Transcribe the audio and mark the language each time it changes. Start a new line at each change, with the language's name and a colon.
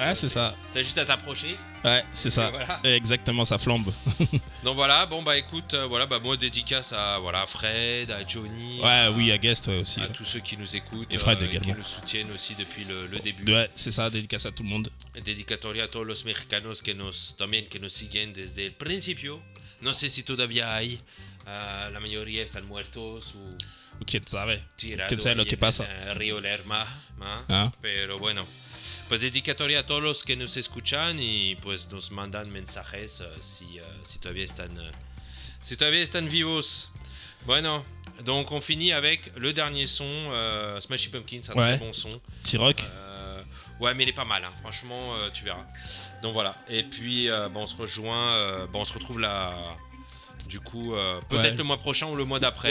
French: Ouais, c'est ça. T'as juste à t'approcher. Ouais, c'est ça. Voilà. Exactement, ça flambe. Donc voilà, bon bah écoute, voilà, bah moi dédicace à voilà, Fred, à Johnny. Ouais, à, oui, à Guest ouais, aussi. À ouais. Tous ceux qui nous écoutent. Et Fred également. Qui nous soutiennent aussi depuis le début. Ouais, c'est ça, dédicace à tout le monde.
Spanish: Dedicatoria a todos los mexicanos que nos, también que nos siguen desde el principio. No sé si todavía hay. La mayoría están muertos. O quién sabe. ¿Quién sabe lo que pasa? Río Lerma. ¿Ah? Pero bueno. Pues dedicatoria a todos los que nos escuchan y pues nos mandan mensajes si todavía están vivos.
French: Bueno, donc on finit avec le dernier son, Smashy Pumpkins, c'est un ouais. Très bon son. T-Rock. Ouais, mais il est pas mal, hein. Franchement, tu verras. Donc voilà, et puis bon, on se rejoint, bon, on se retrouve là, du coup, peut-être ouais. Le mois prochain ou le mois d'après.